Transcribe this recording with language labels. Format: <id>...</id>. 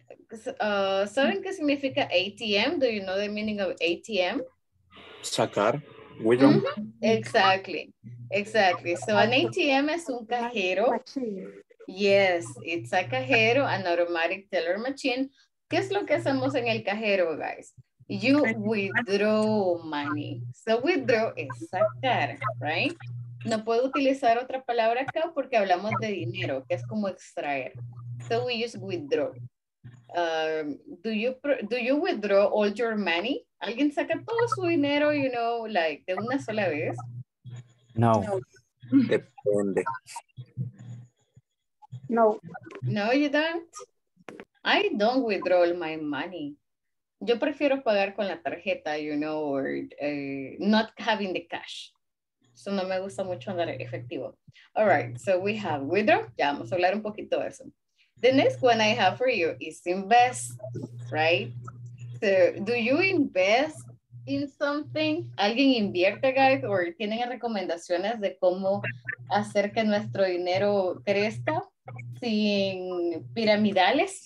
<es>¿Saben qué significa</es> <en>ATM? Do you know the meaning of ATM?</en> <es>Sacar. Mm-hmm.</es> <en>Exactly. Exactly. So an ATM</en> <es>es un cajero.</es> <en>Machine. Yes, it's a cajero, an automatic teller machine.</en> <es>¿Qué es lo que hacemos en el cajero, guys?</es> <en>You withdraw money. So withdraw</en> <es>es sacar,</es> <en>right?</en> <es>No puedo utilizar otra palabra acá porque hablamos de dinero, que es como extraer.</es> <en>So we use withdraw. Do you withdraw all your money?</en> <es>¿Alguien saca todo su dinero,</es> <en>you know, like,</en> <es>de una sola vez? No. No. Depende. No.</es> <en>No, you don't. I don't withdraw my money.</en> <es>Yo prefiero pagar con la tarjeta,</es> <en>you know, or not having the cash. So</en> <es>no me gusta mucho andar efectivo.</es> <en>All right, so we have withdraw.</en> <es>Ya vamos a hablar un poquito de eso.</es> <en>The next one I have for you is invest, right? So do you invest in something?</en> <es>¿Alguien invierte, guys? ¿O tienen recomendaciones de cómo hacer que nuestro dinero crezca sin piramidales?</es>